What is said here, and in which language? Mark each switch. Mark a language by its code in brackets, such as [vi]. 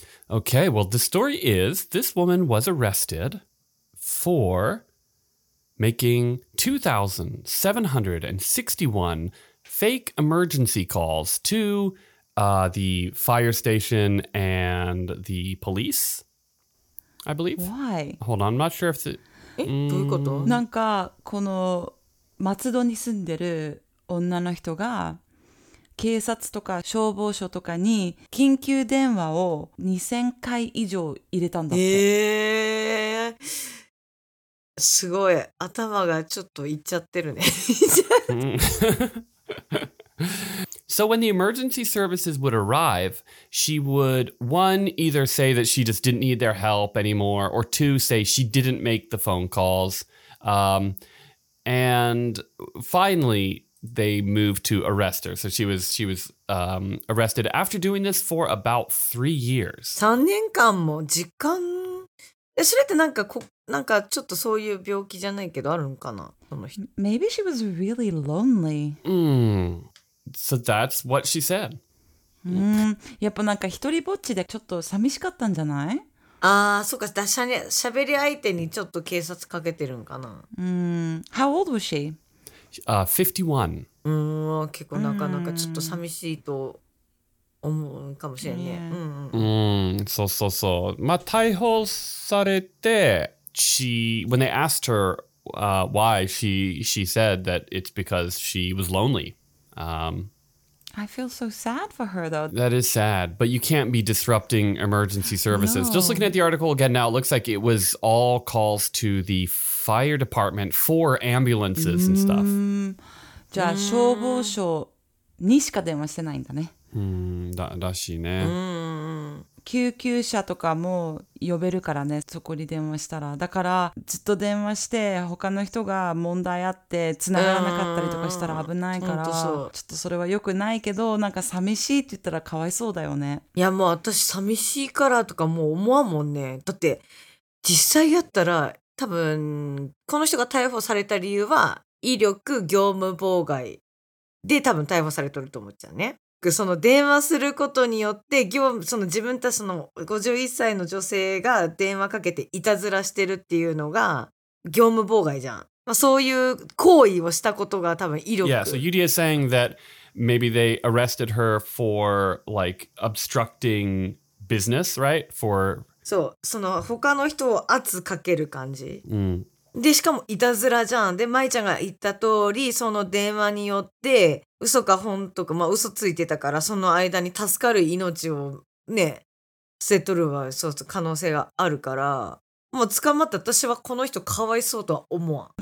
[en] Okay, well, the story is this woman was arrested for making 2,761 fake emergency calls to the fire station and the police. I believe. Why? Hold on, I'm not sure if the... [ja] どういうこと？なんかこの松戸に住んでる女の人が警察とか消防署とかに緊急電話を2000回以上入れたんだって。すごい。頭がちょっといっちゃってるね。 [en] So when the emergency services would arrive, she would, one, either say that she just didn't need their help anymore, or two, say she didn't make the phone calls. And finally, they moved to arrest her. So she was arrested after doing this for about 3 years. [ja] 3年間も時間。それってなんかちょっとそういう病気じゃないけどあるんかな、その人。 [en] Maybe she was really lonely. So that's what she said. [ja] やっぱなんか一人ぼっちでちょっと寂しかったんじゃない？ああ、そうか。しゃべり相手にちょっと警察かけてるんかな。 [en] How old was she? 51. [ja] 結構なかなかちょっと寂しいと思うかもしれんね。そうそうそう。まあ、逮捕されて、 [en] when they asked her why, she said that it's because she was lonely. I feel so sad for her, though. That is sad, but you can't be disrupting emergency services. No. Just looking at the article again now, it looks like it was all calls to the fire department for ambulances and stuff. [ja] じゃあ消防署にしか電話してないんだね。だしね。救急車とかも呼べるからね、そこに電話したら。だからずっと電話して他の人が問題あって繋がらなかったりとかしたら危ないから、ちょっとそれは良くないけど、なんか寂しいって言ったらかわいそうだよね。いやもう私寂しいからとかもう思わんもんね。だって実際やったら多分この人が逮捕された理由は威力業務妨害で多分逮捕されてると思っちゃうね。その電話することによって、その自分たちの51歳の女性が電話かけていたずらしてるっていうのが業務妨害じゃん。まあ、そういう行為をしたことが多分威力。 [en] Yeah, so Yudia is saying that maybe they arrested her for like obstructing business, right? For [ja] そう、その他の人を圧かける感じ。うん。でしかもいたずらじゃん。で舞ちゃんが言った通り、その電話によって嘘か本とか、まあ嘘ついてたから、その間に助かる命をね捨て取るはそう可能性があるから、もう捕まった私はこの人かわいそうとは思わん。